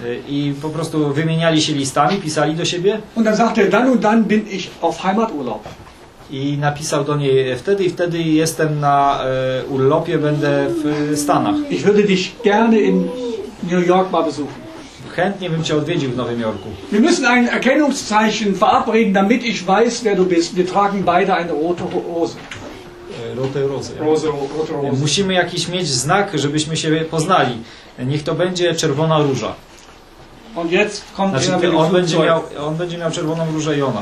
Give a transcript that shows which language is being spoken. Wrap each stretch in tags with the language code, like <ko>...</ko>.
<pl>I po prostu wymieniali się listami, pisali do siebie.</pl> <de>Und dann sagt er, dann und dann bin ich auf Heimaturlaub.</de> <pl>I napisał do niej, wtedy i wtedy jestem na urlopie, będę w Stanach.</pl> <de>Ich würde dich gerne in New York mal besuchen. Chętnie bym cię odwiedził w Nowym Jorku. Wir müssen ein Erkennungszeichen verabreden, damit ich weiß, wer du bist. Wir tragen beide eine rote Rose. Rote Rose.</de> <pl>Musimy jakiś mieć znak, żebyśmy się poznali. Niech to będzie czerwona róża.</pl> <de>Und jetzt kommt</de> <pl>znaczy, on będzie miał czerwoną różę i ona.</pl>